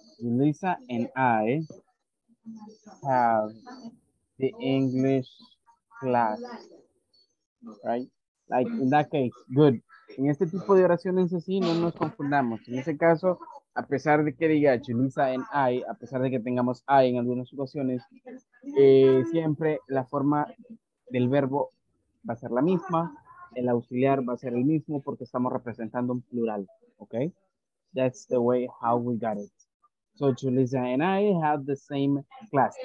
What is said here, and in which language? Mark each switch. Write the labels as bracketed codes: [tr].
[en] Julissa and I have the English class, right? Like in that case, good. [es] En este tipo de oraciones así, no nos confundamos. En ese caso, a pesar de que diga Julissa and I, a pesar de que tengamos I en algunas ocasiones, siempre la forma del verbo va a ser la misma, el auxiliar va a ser el mismo porque estamos representando un plural, okay? [en] That's the way how we got it. So Julissa and I have the same class.